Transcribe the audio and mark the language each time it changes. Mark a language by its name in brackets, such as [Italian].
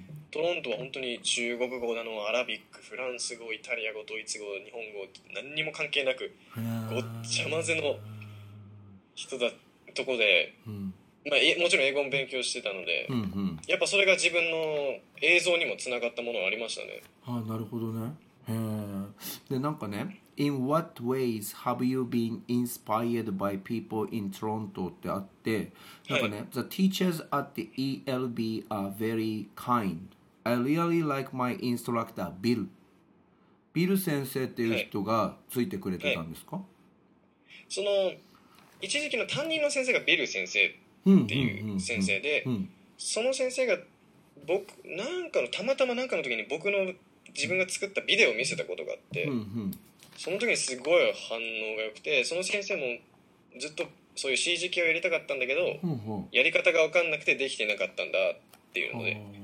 [Japanese] トロントは本当に中国語だの、アラビック、フランス語、イタリア語、ドイツ語、日本語、何にも関係なくごっちゃ混ぜの人だとこで、まあ、もちろん英語も勉強してたので、やっぱそれが自分の映像にもつながったものはありましたね。あ、なるほどね。へえ。で、なんかね、 [English] In what ways have you been inspired by people in Toronto [Japanese] ってあって、なんかね、はい、 [English] The teachers at the ELB are very kind. I really like my instructor, Bill. [Japanese] ビル先生っていう人がついてくれてたんですか？はいはい、その一時期の担任の先生がビル先生っていう先生で、その先生が僕なんかのたまたまなんかの時に僕の自分が作ったビデオを見せたことがあって、その時にすごい反応が良くて、その先生もずっとそういう CG 系をやりたかったんだけど、やり方が分かんなくてできてなかったんだっていうので、